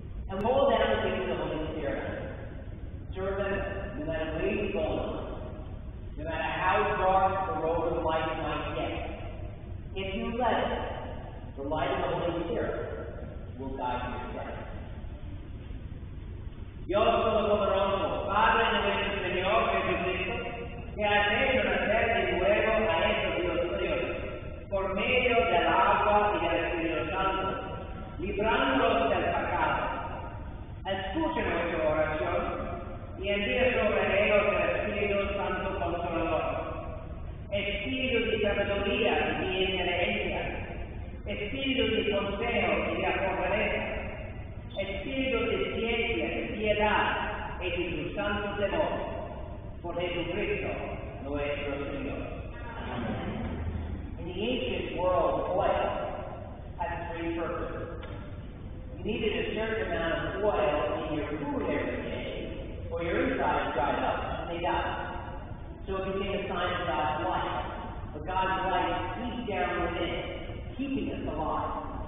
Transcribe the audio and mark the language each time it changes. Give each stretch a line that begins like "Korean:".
English: And hold down the gift of the Holy Spirit. Servant, no matter where you're going, no matter how dark the road of life might get, if you let it, the light of the Holy Spirit will guide you straight.
Spanish: Yo soy el poderoso, Padre de nuestro Señor Jesucristo, que ha tenido la fe y luego a este Dios frío, por medio del agua y del Espíritu Santo, librándolos del pecado. Escuchen nuestra oración y envíe sobre ellos el Espíritu Santo Consolador. Espíritu de sabiduría y inteligencia. Espíritu de consejo y de fortaleza. Espíritu de ciencia y piedad y de su santo temor. Por Jesucristo nuestro Señor. Amen.
English: In the ancient world, oil had three purposes. You needed a certain amount of oil in your food every day, or your insides dried up and they died. So it became a sign of God's life. But God's life is deep down within, keeping us alive.